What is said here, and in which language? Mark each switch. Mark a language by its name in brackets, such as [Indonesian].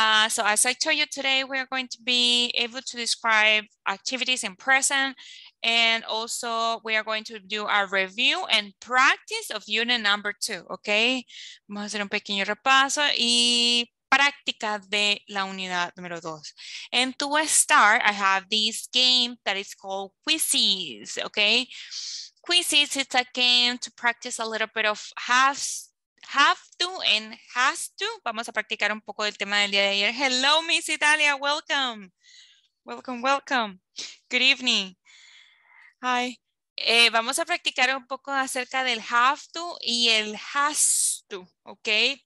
[English] So as I told you today, we are going to be able to describe activities in present, and also we are going to do a review and practice of unit number 2, okay? [Spanish] Vamos a hacer un pequeño repaso y práctica de la unidad número 2. [English] And to start, I have this game that is called Quizzes, okay? Quizzes, it's a game to practice a little bit of have to and has to. [Spanish] Vamos a practicar un poco del tema del día de ayer. [English] Hello, Miss Italia. Welcome. Good evening. Hi. [Spanish] Vamos a practicar un poco acerca del have to y el has to, ¿ok?